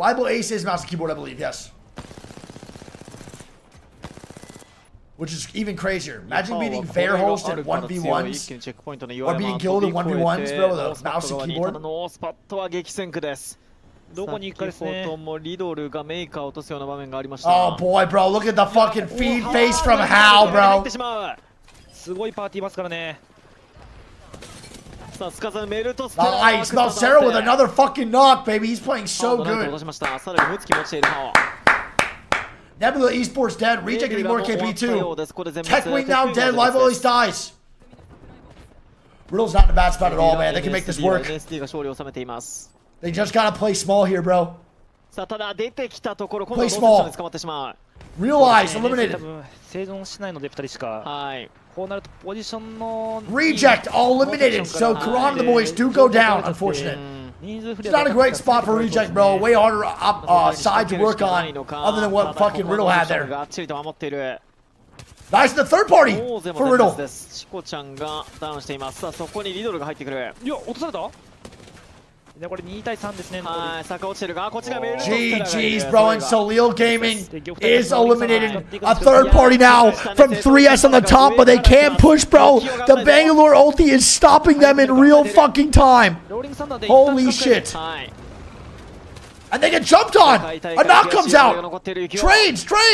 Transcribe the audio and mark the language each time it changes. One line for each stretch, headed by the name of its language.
English: Libel Ace is mouse and keyboard, I believe. Yes. Which is even crazier. Imagine beating Verhulst in 1v1s or beating Guild in 1v1s, bro, with a mouse and keyboard.
Japanese: ノースパットは激戦区です。どこに行くかですね。先ほどもリドルがメーカーを落とすような場面がありました。
English: Oh boy, bro, look at the fucking feed face from Hal, bro.
Japanese: すごいパーティーいますからね。さあ、スカザメルトス。
English: Nice, now Sarah with another fucking knock, baby. He's playing so good.
Japanese: さらにムツキ持ちているハワ。
English: Nebula Esports dead. Reject any more KP too. Techwing now dead. Live always dies. Riddle's not in a bad spot at all, man. They can make this work.
Japanese: NSD が勝利を収めています。
English: They just gotta play small here, bro.
Japanese: さあただ出てきたところ、
English: play small. Realize, eliminated.
Japanese: 生存しないので二人しか。はい。こうなるとポジションの。
English: Reject, all eliminated. So Karan the boys do go down. Unfortunate. It's not a great spot for reject, bro. Way harder up side to work on, other than what fucking Riddle had there.
Japanese: がっちりと守っている。
English: Nice, the third party for Riddle.
Japanese: チコちゃんがダウンしています。さあそこにリドルが入ってくる。いや落とされた。でこれ2対3ですね。はい、坂落ちてるが、こちらメールドクターが。
English: GG's, bro, and Solil Gaming is eliminated. A third party now from 3S on the top, but they can't push, bro. The Bangalore ulti is stopping them in real fucking time. Holy shit. And they get jumped on! A knock comes out! Trades!